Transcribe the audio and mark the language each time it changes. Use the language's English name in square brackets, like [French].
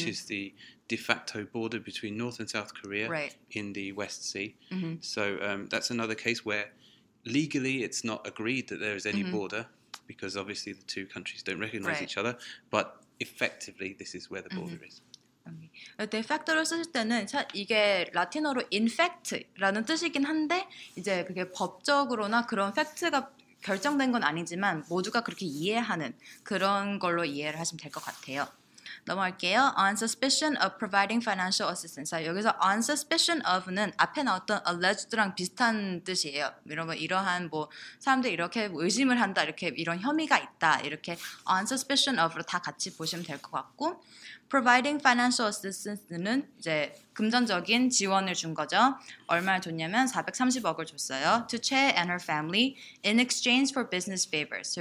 [English] which is the de facto border between North and South Korea right. in the West Sea. Mm-hmm. So that's another case where legally it's not agreed that there is any mm-hmm. border, because obviously the two countries don't recognize right. each other, but effectively this is where the border mm-hmm. is. Okay. [Korean] De facto를 쓰실 때는 이게 라틴어로 [English] in fact [Korean] 라는 뜻이긴 한데 이제 그게 법적으로나 그런 팩트가 결정된 건 아니지만 모두가 그렇게 이해하는 그런 걸로 이해를 하시면 될 것 같아요. 넘어갈게요. [English] On suspicion of providing financial assistance. [Korean] 자, 여기서 [English] on suspicion of [Korean] 는 앞에 나왔던 alleged랑 비슷한 뜻이에요. 이러한 뭐 사람들이 이렇게 의심을 한다, 이렇게 이런 혐의가 있다, 이렇게 [English] on suspicion of [Korean] 로 다 같이 보시면 될 것 같고 [English] providing financial assistance [Korean] 는 이제 금전적인 지원을 준 거죠. 얼마를 줬냐면 430억을 줬어요. [English] To Che and her family in exchange for business favors.